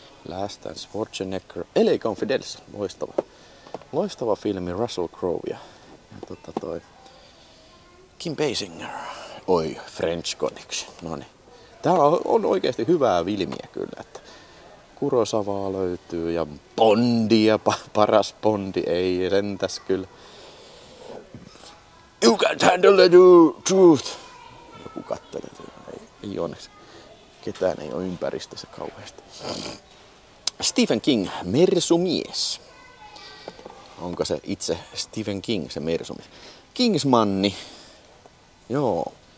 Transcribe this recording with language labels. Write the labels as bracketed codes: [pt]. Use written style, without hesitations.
[fi] Last Dance, Schwarzenegger, LA Confidential, loistava. Loistava filmi, Russell Crowe ja tota toi Kim Basinger. Oi, French Connection, noni. Täällä on oikeesti hyvää filmiä kyllä, että Kurosawaa löytyy ja Bondia, paras Bondi, ei rentäs kyllä. [en] You can't handle the truth! [fi] Joku kattelee, ei onneksi. Ketään ei ole ympäristössä kauheasti. Stephen King, mersumies. Onko se itse Stephen King, se mersumies? Kingsmanni. Joo.